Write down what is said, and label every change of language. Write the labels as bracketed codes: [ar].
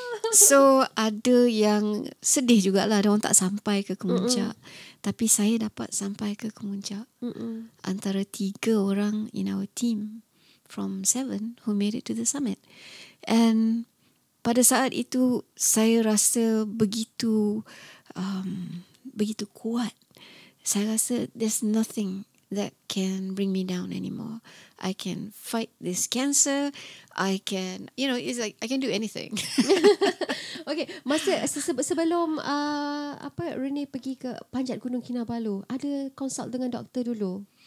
[ms] So ada yang sedih jugalah, ada orang tak sampai ke kemuncak. Tapi saya dapat sampai ke kemuncak. Antara tiga orang [en] in our team from seven who made it to the summit. [ms] And pada saat itu saya rasa begitu begitu kuat. Saya rasa [en] there's nothing that can bring me down anymore. I can fight this cancer. I can, you know, it's like I can do anything. [ms] Okay, masa sebelum apa Rene pergi ke panjat gunung Kinabalu, ada consult dengan doktor dulu.